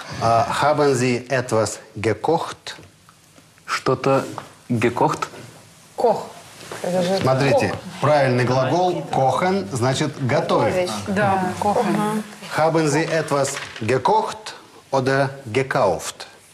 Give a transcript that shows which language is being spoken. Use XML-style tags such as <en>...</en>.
<de>Haben Sie etwas gekocht?</de> <ru>Что-то gekocht?</ru> <de>Koch.</de> <ru>Смотрите, кох. Правильный глагол kochen значит готовить. Да, kochen.</ru> <de>Haben Sie etwas gekocht oder gekauft?</de>